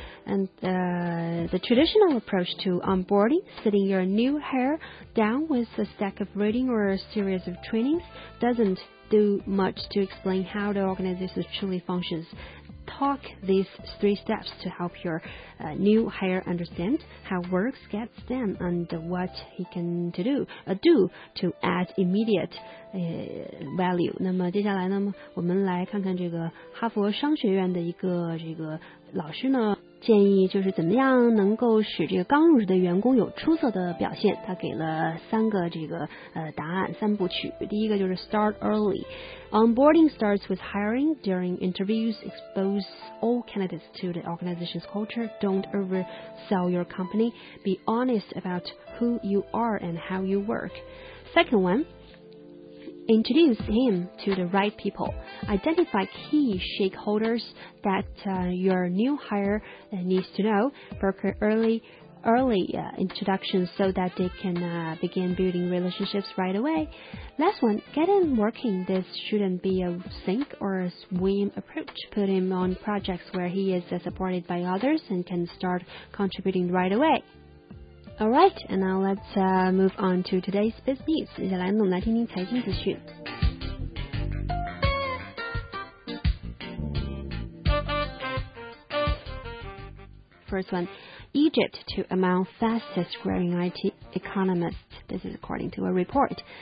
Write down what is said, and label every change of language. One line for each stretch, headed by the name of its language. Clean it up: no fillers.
English: And the traditional approach to onboarding, sitting your new hire down with a stack of reading or a series of trainings, doesn't do much to explain how the organization truly functions. Talk these three steps to help your new hire understand how work gets done and what he can do to add immediate value.
Chinese: 那么接下来呢，我们来看看这个哈佛商学院的一个这个老师呢建议，就是怎么样能够使这个刚入职的员工有出色的表现。他给了三个这个答案，三部曲。第一个就是
English: start early. Onboarding starts with hiring. During interviews, expose all candidates to the organization's culture. Don't oversell your company. Be honest about who you are and how you work. Second one. Introduce him to the right people. Identify key stakeholders that your new hire needs to know. Broker early introductions so that they can begin building relationships right away. Last one, get him working. This shouldn't be a sink or a swim approach. Put him on projects where he is supported by others and can start contributing right away. All right, and now let's move on to today's business.
Chinese: 接下来呢，我们来听听财经资讯。
English: First one, Egypt to among fastest growing IT economies. This is according to a report.